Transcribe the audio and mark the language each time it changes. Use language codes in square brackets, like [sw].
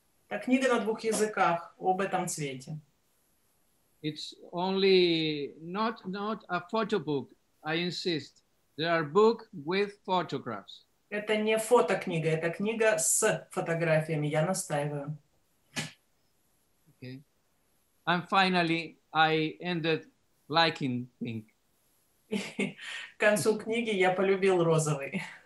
[ru] Та книга на двух языках об этом цвете. [en] It's only not a photo book, I insist. There are book with photographs. [ru] Это не фотокнига, это книга с фотографиями, я настаиваю. [en] Okay. And finally I ended liking pink. [ru] К концу книги я полюбил розовый.